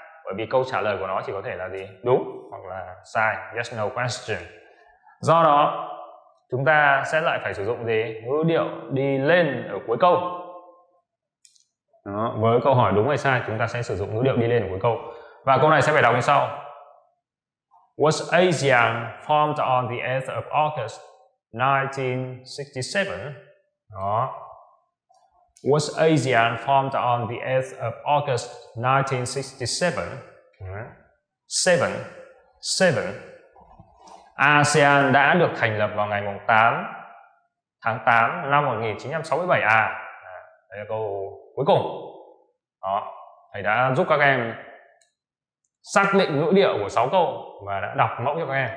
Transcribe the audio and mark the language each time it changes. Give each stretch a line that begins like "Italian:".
Vietnamese: Bởi vì câu trả lời của nó chỉ có thể là gì? Đúng hoặc là sai.
English: Yes, no question.
Vietnamese: Do đó, chúng ta sẽ lại phải sử dụng gì? Ngữ điệu đi lên ở cuối câu. Đó, với câu hỏi đúng hay sai, chúng ta sẽ sử dụng ngữ điệu đi lên ở cuối câu. Và câu này sẽ phải đọc như sau.
English: Was ASEAN formed on the 8th of August 1967? Đó. Was ASEAN formed on the 8th of August 1967? Seven. Seven.
Vietnamese: ASEAN đã được thành lập vào ngày 8 tháng 8 năm 1967. À, đây là câu cuối cùng. Đó. Thầy đã giúp các em xác định ngữ điệu của 6 câu và đã đọc mẫu cho các em.